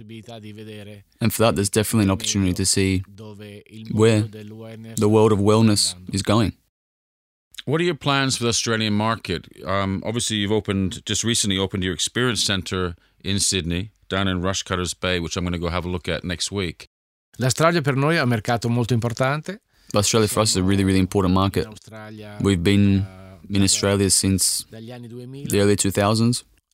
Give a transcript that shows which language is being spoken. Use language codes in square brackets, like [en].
[en] And for that, there's definitely an opportunity to see where the world of wellness is going. What are your plans for the Australian market? Obviously, you've just recently opened your experience center in Sydney, down in Rushcutters Bay, which I'm going to go have a look at next week. [it] L'Australia per noi è un mercato molto importante. [en] Australia for us is a really, really important market. We've been in Australia since the early 2000s.